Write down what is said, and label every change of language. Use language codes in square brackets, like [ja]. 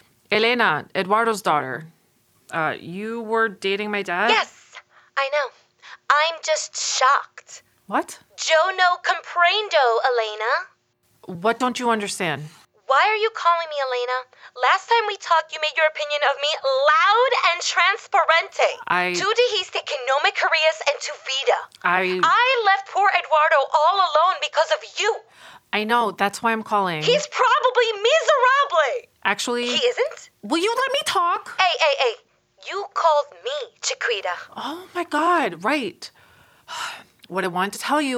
[en] Elena, Eduardo's daughter. You were dating my dad? Yes, I know. I'm just shocked. What? [es] Yo no comprendo, Elena. [en] What don't you understand? Why are you calling me Elena? Last time we talked, you made your opinion of me loud and transparente. [es] Tú dijiste que no me querías en tu vida. [en] I left poor Eduardo all alone because of you. I know, that's why I'm calling. He's probably miserable. Actually, he isn't. Will you let me talk? Hey, you called me, Chiquita. Oh my God, right. What I wanted to tell you